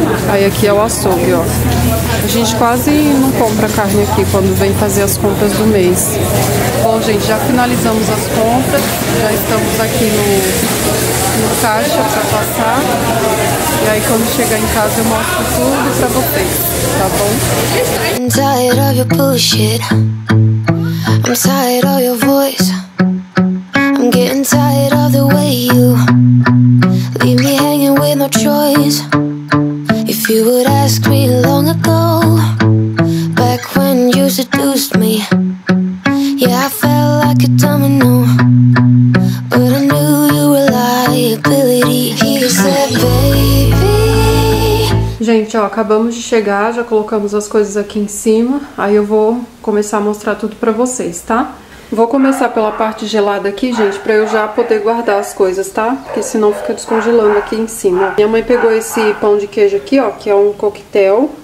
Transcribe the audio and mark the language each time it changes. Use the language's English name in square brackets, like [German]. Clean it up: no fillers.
[Portuguese] Aí aqui é o açougue, ó. A gente quase não compra carne aqui quando vem fazer as compras do mês. Bom, gente, já finalizamos as compras, já estamos aqui no caixa pra passar. E aí quando chegar em casa eu mostro tudo pra vocês, tá bom? [English] I'm tired of your bullshit. I'm tired of your voice. I'm getting tired of the way you leave me hanging with no choice. If you would ask me long ago, back when you seduced me, yeah, I felt like a domino. But I knew you were liability. He said, baby. [Portuguese] Gente, ó, acabamos de chegar, já colocamos as coisas aqui em cima. Aí eu vou começar a mostrar tudo pra vocês, tá? Vou começar pela parte gelada aqui, gente, pra eu já poder guardar as coisas, tá? Porque senão fica descongelando aqui em cima. Minha mãe pegou esse pão de queijo aqui, ó, que é um coquetel.